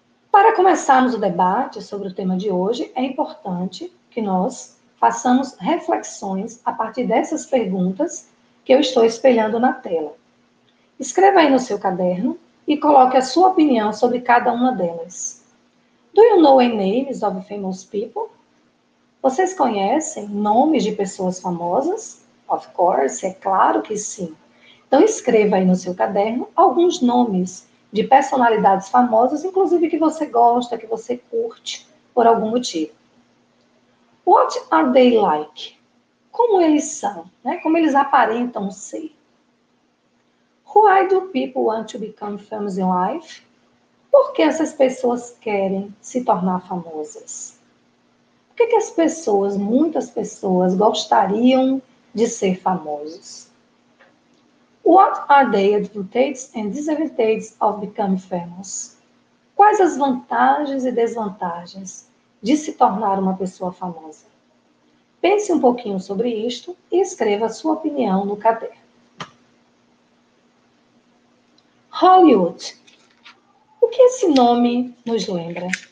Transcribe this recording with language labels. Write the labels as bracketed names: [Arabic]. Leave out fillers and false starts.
[Portuguese] Para começarmos o debate sobre o tema de hoje, é importante que nós façamos reflexões a partir dessas perguntas que eu estou espelhando na tela. Escreva aí no seu caderno e coloque a sua opinião sobre cada uma delas. [English] Do you know any names of famous people? [Portuguese] Vocês conhecem nomes de pessoas famosas? [English] Of course, [Portuguese] é claro que sim. Então escreva aí no seu caderno alguns nomes de personalidades famosas, inclusive que você gosta, que você curte por algum motivo. [English] What are they like? [Portuguese] Como eles são? Né? Como eles aparentam ser? [English] Why do people want to become famous in life? [Portuguese] Por que essas pessoas querem se tornar famosas? Por que, que as pessoas, muitas pessoas, gostariam de ser famosos. [English] What are the advantages and disadvantages of becoming famous? [Portuguese] Quais as vantagens e desvantagens de se tornar uma pessoa famosa? Pense um pouquinho sobre isto e escreva a sua opinião no caderno. Hollywood. O que esse nome nos lembra?